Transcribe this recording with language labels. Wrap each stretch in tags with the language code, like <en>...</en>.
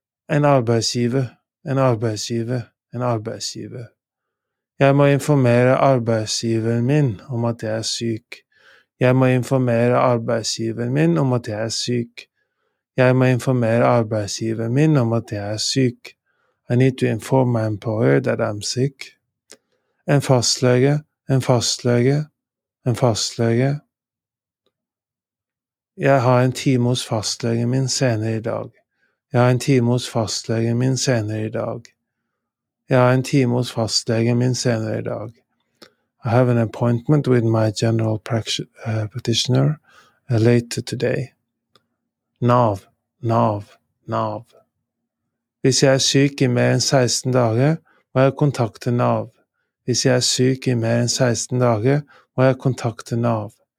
<no>En arbeidsgiver, en arbeidsgiver, en arbeidsgiver. Jeg må informere arbeidsgiveren min om at jeg syk. Jeg må informere arbeidsgiveren min om at jeg syk. Jeg må informere arbeidsgiveren min om at jeg syk.</no> <en>I need to inform my employer that I'm sick.</en> <no>En fastlege, en fastlege, en fastlege. Jeg har en time hos fastlegen min senere I dag. Jeg har en time hos fastlegen min senere I dag. Jeg har en time hos fastlegen min senere I dag.</no> <en>I have an appointment with my general practitioner later today.</en> <no>NAV, NAV, NAV. Hvis jeg syk I mer enn 16 dager, må jeg kontakte NAV. Hvis jeg syk I mer enn 16 dager, må jeg kontakte NAV.</no>